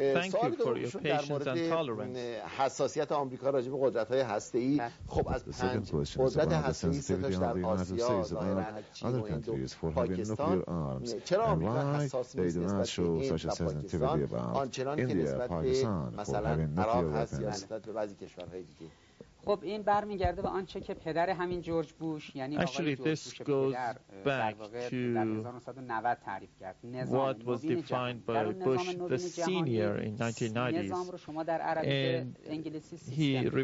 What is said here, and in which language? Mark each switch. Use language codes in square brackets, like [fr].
[fa] سوال دوم در مورد حساسیت آمریکا راجع به قدرت‌های هسته‌ای خب از پنج قدرت هسته‌ای سه تاش در آسیا ظاهراً [en] other countries for having nuclear arms [fa] چرا آمریکا حساس نیست نسبت به این و پاکستان آنچنان که نسبت مثلا عراق هست یا نسبت به بعضی کشورهای دیگه خب این برمیگرده به آنچه که پدر همین جورج بوش یعنی آقای جورج بوش پدر در واقع در 1990 تعریف کرد نظام [en] what was defined by Bush the senior in 1990s [fa] نظام رو شما در عربی انگلیسی سیستم